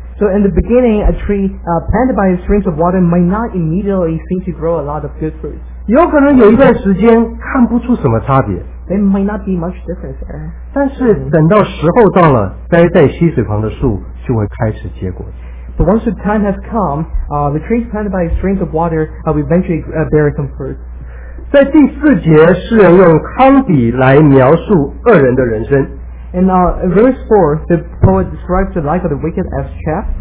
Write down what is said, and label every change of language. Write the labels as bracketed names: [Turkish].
[English] So in the beginning, a tree planted by streams of water might not immediately seem to grow a lot of good fruits. [Chinese] 有可能有一段时间看不出什么差别。 [English] might not be much difference there. [Chinese] 但是等到时候到了，栽在溪水旁的树就会开始结果子。 [English] But once the time has come, the trees planted by streams of water will eventually bear some fruit. [Chinese] 在第四节，诗人用糠秕来描述恶人的人生。 [English] In verse 4, the poet describes the life of the wicked as chaff.